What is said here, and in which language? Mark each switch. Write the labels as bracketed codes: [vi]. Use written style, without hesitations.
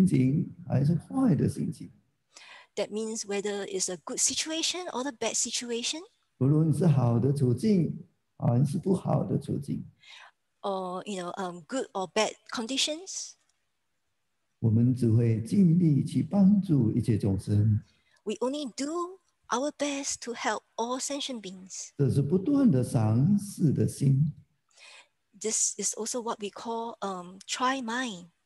[zh] 这意味着无论是好的心情还是坏的心情。 [en] That means whether it's a good situation or a bad situation. [zh] 无论是好的处境还是不好的处境。 [en] Or, you know, good or bad conditions. [zh] 我们只会尽力去帮助一切众生。 [en] We only do our best to help all sentient beings. [zh] 这是不断的赏识的心。 [en] This is also what we call try mind.